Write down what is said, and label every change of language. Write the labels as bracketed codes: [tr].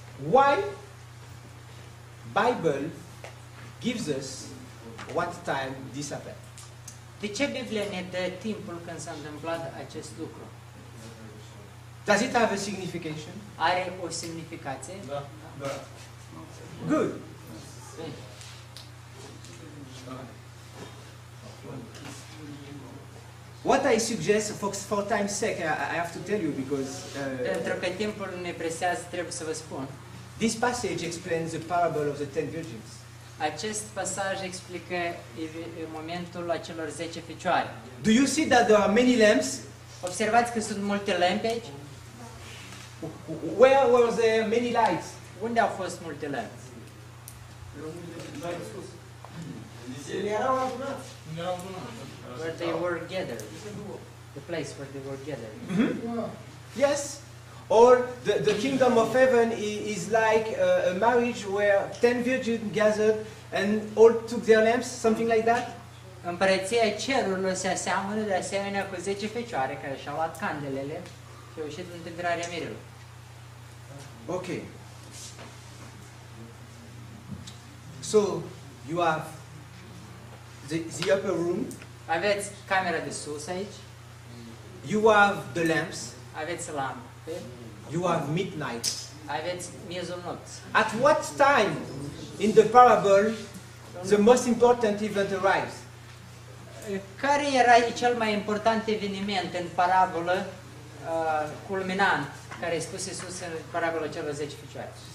[en] Why Bible gives us what time this happened? [ro] De ce Biblia ne dă timpul când s-a întâmplat acest lucru? [en] Does it have a signification? [ro] Are o semnificație? Da. Da. [en] Good. What I suggest for time's sake, I have to tell you because. [ro] Pentru că timpul ne presează, trebuie să vă spun. [en] This passage explains the parable of the 10 virgins. [ro] Acest pasaj explică momentul acelor 10 fecioare. [en] Do you see that there are many lamps? [ro] Observați că sunt multe lampe aici? [en] Where were the many lights? [ro] Unde au fost multe lampe? Erau multe lampe. Nu erau adunați. Nu erau adunați. [en] Where they were gathered. The place where they were gathered. Mm-hmm. Yes. Or the kingdom of heaven is like a marriage where 10 virgins gathered and all took their lamps, something like that. [ro] Împărăția cerurilor se aseamănă de asemenea cu 10 fecioare care și-au luat candelele și au ieșit în întâmpinarea mirilor. [en] Okay. So you have the upper room. [ro] Aveți camera de sus aici. [en] You have the lamps. [ro] Aveți lampe. [en] You have midnight. [ro] Aveți miezul nopții. [en] At what time in the parable the most important event arrives? [ro] Care era cel mai important eveniment în parabolă culminant care a spus Iisus în parabola celor 10 fecioare?